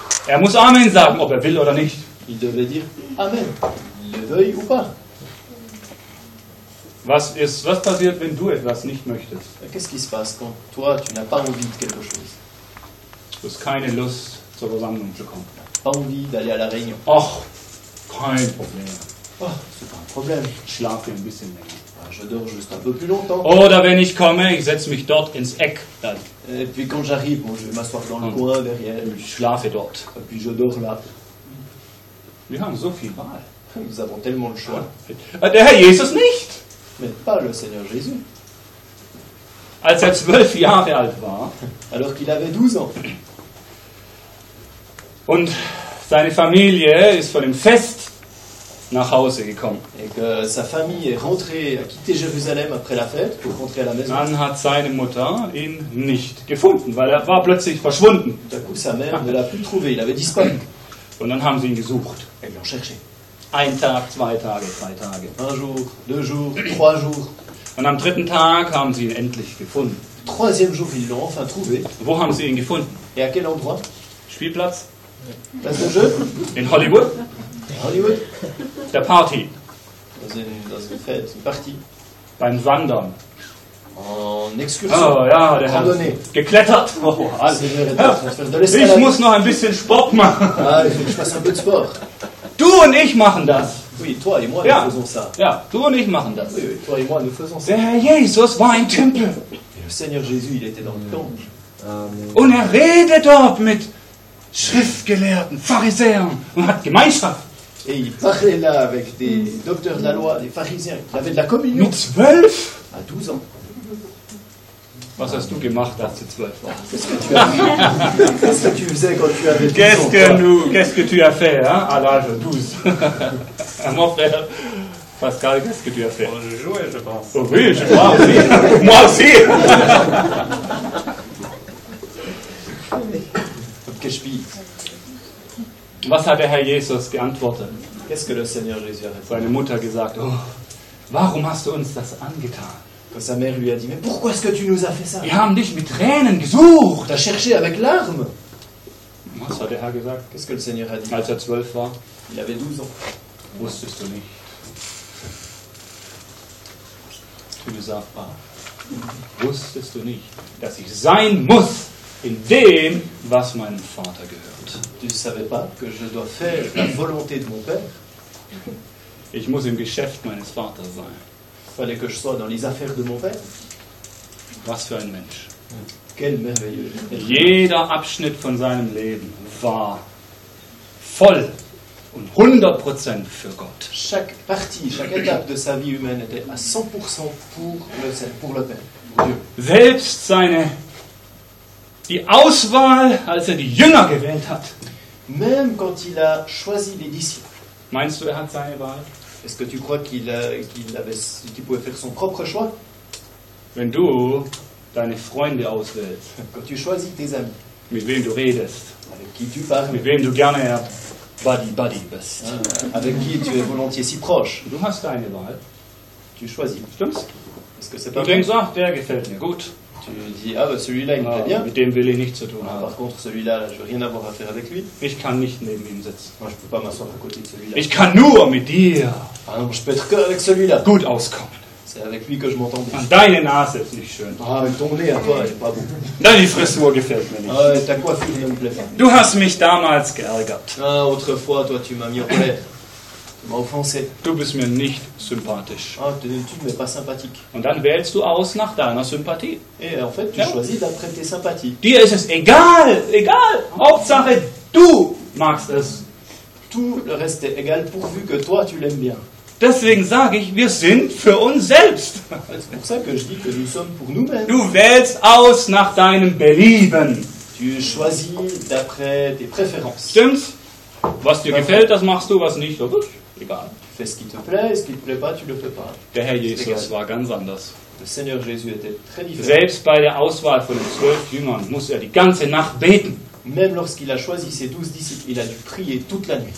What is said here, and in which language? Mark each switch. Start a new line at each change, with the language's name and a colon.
German: Er muss Amen sagen, ob er will oder nicht.
French: Il devait dire Amen, le veuille ou pas.
German: Was passiert, wenn du etwas nicht möchtest?
French: Qu'est-ce qui se passe quand toi, tu n'as pas envie de quelque chose?
German: Du hast keine Lust, zur Versammlung zu kommen.
French: Pas envie d'aller à la réunion.
German: Ach, kein Problem.
French: Oh, c'est pas un problème.
German: Ich schlafe ein bisschen länger.
French: Je dors juste un peu plus longtemps.
German: Oder wenn ich komme, ich setze mich dort ins Eck. Dann.
French: Et puis quand j'arrive, bon, je vais m'asseoir dans le coin derrière.
German: Ich schlafe dort.
French: Et puis je dors là.
German: Wir haben so viel Wahl.
French: Nous avons tellement le choix.
German: Der Herr Jesus nicht.
French: Mais pas le Seigneur Jésus.
German: als er 12 Jahre alt war,
French: alors qu'il avait 12 ans.
German: Und seine Familie ist von dem Fest nach Hause gekommen.
French: Et que sa famille est rentrée, a quitté Jérusalem après la fête pour rentrer à la maison.
German: Dann hat seine Mutter ihn nicht gefunden, weil er war plötzlich verschwunden.
French: Und d'un coup, sa mère ne l'a plus trouvé, il avait disparu.
German: Und dann haben sie ihn gesucht.
French: Et l'ont cherché.
German: Ein Tag, zwei Tage, drei Tage.
French: Un jour, deux jours, trois jours.
German: Und am dritten Tag haben sie ihn endlich gefunden.
French: Troisième jour, ils l'ont enfin trouvé.
German: Wo haben sie ihn gefunden?
French: Et à quel endroit?
German: Spielplatz.
French: Place de jeu?
German: In Hollywood. Hollywood. Der Party. Das ist eine Fête, eine Party. Beim Wandern.
French: En excursion.
German: Oh ja, der hat geklettert. Oh, alles. Ich muss noch ein bisschen Sport machen. Ah, ich mache ein bisschen Sport. Du und ich machen das.
French: Oui, toi et moi, ja. Nous faisons ça.
German: Ja, du und ich machen das.
French: Oui, toi et moi, nous faisons ça.
German: Der Herr Jesus war im Tempel.
French: Le Seigneur Jésus, il était dans le temple.
German: Und er redet dort mit Schriftgelehrten, Pharisäern und hat Gemeinschaft.
French: Et il parlait là avec des docteurs de la loi, des pharisiens. Il avait de la communion.
German: Mit 12?
French: À 12 ans.
German: Was hast du gemacht, als du 12 warst?
French: Qu'est-ce que tu faisais quand tu avais 12 ans? Qu'est-ce que tu as fait, hein, à l'âge 12? À mon frère Pascal, qu'est-ce que tu as fait? Je jouais, je pense. Oh, oui, je crois aussi. Moi aussi.
German: Was hat der Herr Jesus geantwortet?
French: Qu'est-ce que le Seigneur Jésus a répondu?
German: Seine Mutter gesagt, oh, warum hast du uns das angetan?
French: Quand sa mère lui a dit, mais pourquoi est-ce que tu nous as fait ça?
German: Wir haben dich mit Tränen gesucht.
French: T'as cherché avec larmes.
German: Was hat der Herr gesagt?
French: Qu'est-ce que le Seigneur a dit?
German: Als er 12 war.
French: Il avait 12 ans.
German: Wusstest du nicht.
French: Tu ne savais pas.
German: Wusstest du nicht, dass ich sein muss in dem, was meinem Vater gehört.
French: Tu ne savais pas que je dois faire la volonté de mon père.
German: Ich muss im Geschäft meines Vaters sein.
French: Fallait que je sois dans les affaires de mon père.
German: Was für ein Mensch.
French: Quel merveilleux.
German: Jeder Abschnitt von seinem Leben war voll und 100% für Gott.
French: Chaque partie, chaque étape de sa vie humaine était à 100% pour le père, pour Dieu.
German: Selbst seine die Auswahl, als er die Jünger gewählt hat.
French: Même quand il a choisi les disciples.
German: Meinst du, er hat seine Wahl?
French: Est-ce que tu crois qu'il pouvait faire son propre choix?
German: Wenn du deine Freunde auswählst,
French: quand tu choisis tes amis,
German: mit wem du redest,
French: avec qui tu parles,
German: mit wem du gerne buddy bist,
French: avec qui tu es volontiers si proche,
German: du hast deine Wahl,
French: tu choisis.
German: Stimmt's?
French: Est-ce que c'est pas
German: du denkst, ah, der gefällt mir gut.
French: Tu dis, ah, bah, celui-là, il me plaît bien.
German: Mit dem will ich nichts zu tun.
French: Par contre, celui-là, je veux rien avoir à faire avec lui.
German: Ich kann nicht neben ihm sitzen.
French: Moi, je peux pas m'asseoir à côté de celui-là.
German: Ich kann nur mit dir.
French: Ah, non, je peux être que avec celui-là.
German: Gut auskommen.
French: C'est avec lui que je m'entends bien.
German: Deine Nase ist nicht schön.
French: Ah, mais ton nez à toi, elle est pas beau.
German: Deine Frisur gefällt mir nicht.
French: Ah, ta coiffure, il me plaît pas.
German: Du hast mich damals geärgert.
French: Ah, autrefois, toi, tu m'as mis en colère.
German: Du bist mir nicht sympathisch.
French: Ah, tu ne m'es pas sympathique.
German: Und dann wählst du aus nach deiner Sympathie.
French: Et en fait, tu choisis d'après tes sympathies.
German: Dir ist es egal. Hauptsache, du magst es.
French: Tout le reste est égal, pourvu que toi, tu l'aimes bien.
German: Deswegen sage ich, wir sind für uns selbst.
French: C'est pour ça que je dis que nous sommes pour nous-mêmes.
German: Du wählst aus nach deinem Belieben.
French: Tu choisis d'après tes préférences.
German: Stimmt's? Was dir gefällt, das machst du, was nicht, oder? Egal.
French: Fais ce qui te plaît, ce qui te plaît pas, tu le fais pas.
German: Der Herr Jesus war ganz anders.
French: Le Seigneur Jésus était très différent.
German: Selbst bei der Auswahl von den 12 Jüngern muss er die ganze Nacht beten.
French: Même lorsqu'il a choisi ses 12 disciples, il a dû prier toute la nuit.